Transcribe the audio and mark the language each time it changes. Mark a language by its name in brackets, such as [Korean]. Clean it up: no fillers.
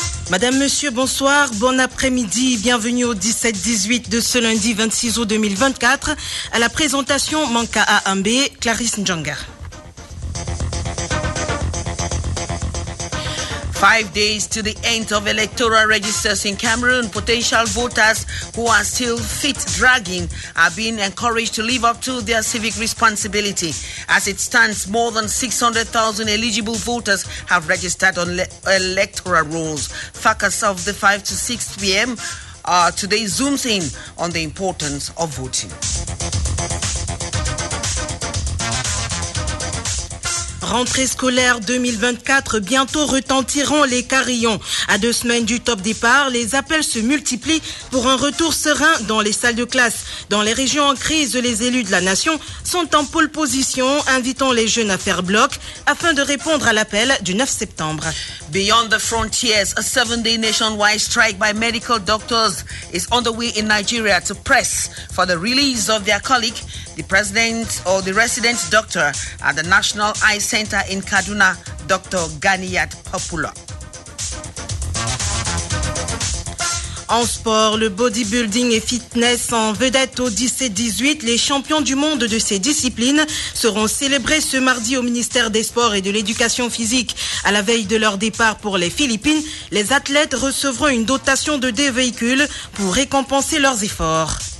[French] Madame, Monsieur, bonsoir, bon après-midi, bienvenue au 17-18 de ce lundi 26 août 2024, à la présentation Manka A Ambé, Clarisse Ndjanga. [English] 5 days to the end of electoral registers in Cameroon, potential voters who are still fit dragging are being encouraged to live up to their civic responsibility. As it stands, more than 600,000 eligible voters have registered on electoral rolls. Focus of the 5 to 6 p.m. Today zooms in on the importance of voting. [French] Rentrée scolaire 2024, bientôt retentiront les carillons. À 2 semaines du top départ, les appels se multiplient pour un retour serein dans les salles de classe. Dans les régions en crise, les élus de la nation sont en pole position, invitant les jeunes à faire bloc afin de répondre à l'appel du 9 septembre. [English] Beyond the frontiers, a 7-day nationwide strike by medical doctors is on the way in Nigeria to press for the release of their colleague, the president or the resident doctor at the National Eye Center in Kaduna, Dr. Ganiyat Popula. [French] En sport, le bodybuilding et fitness en vedette au 17-18, les champions du monde de ces disciplines seront célébrés ce mardi au ministère des Sports et de l'Éducation physique. À la veille de leur départ pour les Philippines, les athlètes recevront une dotation de 2 véhicules pour récompenser leurs efforts.